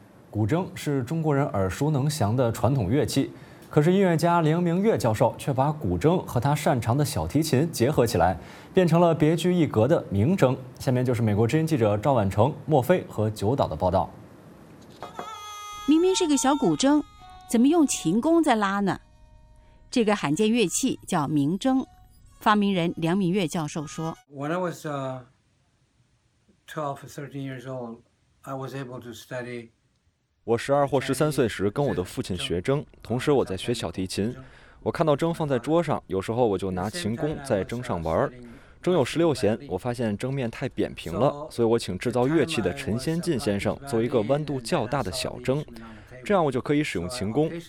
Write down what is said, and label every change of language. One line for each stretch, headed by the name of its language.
Chinese: 古筝是中国人耳熟能详的传统乐器，可是音乐家林明月教授却把古筝和他擅长的小提琴结合起来，变成了别具一格的名筝。下面就是美国之音记者赵婉成、莫非和九岛的报道。明明是个小古筝，怎么用琴弓在拉呢？这个罕见乐器叫名筝，发明人林明月教授说
English: When I was 12 or 13 years old, I was able to study.
Chinese: 我12或13岁时跟我的父亲学筝，同时我在学小提琴。我看到筝放在桌上，有时候我就拿琴弓在筝上玩。筝有16弦，我发现筝面太扁平了，所以我请制造乐器的陈先进先生做一个弯度较大的小筝，这样我就可以使用琴弓。